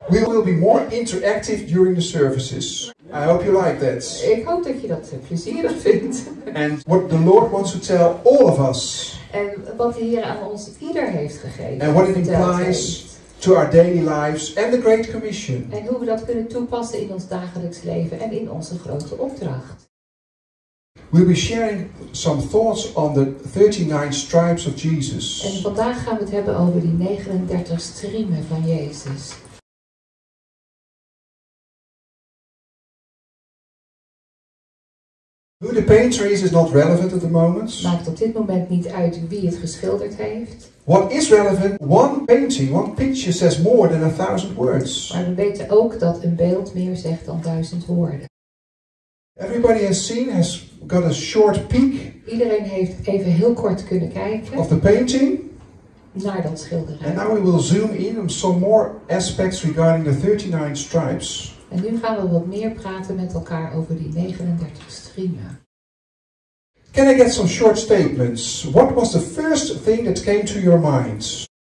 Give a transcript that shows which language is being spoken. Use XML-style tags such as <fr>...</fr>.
<en>We will be more interactive during the services. I hope you like that.</en> <nl>Ik hoop dat je dat plezierig vindt.</nl> <en>And what the Lord wants to tell all of us.</en> <nl>En wat de Heer aan ons ieder heeft gegeven.</nl> <en>And what it implies to our daily lives and the Great Commission.</en> <nl>En hoe we dat kunnen toepassen in ons dagelijks leven en in onze grote opdracht.</nl> <en>We'll be sharing some thoughts on the 39 stripes of Jesus.</en> <nl>En vandaag gaan we het hebben over die 39 striemen van Jezus.</nl> <en>Who the painter is not relevant at the moment.</en> <nl>Maakt op dit moment niet uit wie het geschilderd heeft.</nl> <en>What is relevant? One painting, one picture says more than 1,000 words.</en> <nl>Maar we weten ook dat een beeld meer zegt dan 1,000 woorden.</nl> <en>Everybody has seen, has got a short peek.</en> <nl>Iedereen heeft even heel kort kunnen kijken.</nl> <en>Of the painting.</en> <nl>Naar dat schilderij.</nl> <en>And now we will zoom in on some more aspects regarding the 39 stripes.</en> <nl>En nu gaan we wat meer praten met elkaar over die 39 striemen.</nl> <en>Can I get some short statements? What was the first thing that came to your mind?</en>